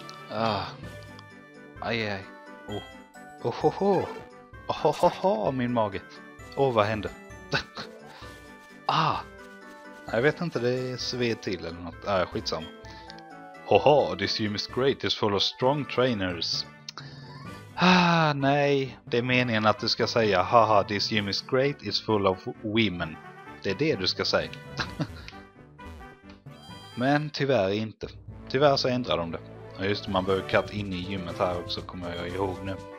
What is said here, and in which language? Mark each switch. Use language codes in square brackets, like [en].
[sv] Ah. Aj, aj. Oh. Ohoho! Ohohoho, min mage! Åh, vad hände? Ah! Jag vet inte, det är sved till eller något. Ah, skitsam. [en] Hoho, this gym is great, it's full of strong trainers. [sv] Ah, nej. Det är meningen att du ska säga, haha, [en] this gym is great, it's full of women. [sv] Det är det du ska säga. Men tyvärr inte. Tyvärr så ändrar de det. Och just det, man behöver cut in i gymmet här också, kommer jag ihåg nu.